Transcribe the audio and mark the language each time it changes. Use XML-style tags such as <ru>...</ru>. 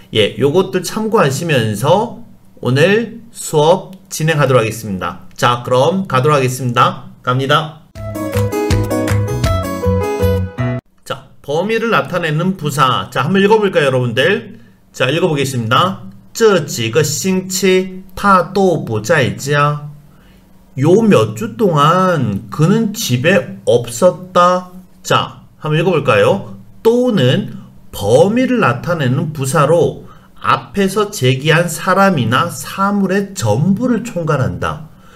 <ko>예, 요것들 참고하시면서 오늘 수업 진행하도록 하겠습니다. 자, 그럼 가도록 하겠습니다. 갑니다. 자, 범위를 나타내는 부사. 자, 한번 읽어볼까요, 여러분들? 자, 읽어보겠습니다.</ko> <zh>这几个星期他都不在家.</zh> <ko>요 몇 주 동안 그는 집에 없었다. 자, 한번 읽어볼까요? 또는 범위를 나타내는 부사로 앞에서 제기한 사람이나 사물의 전부를 총괄한다.</ko>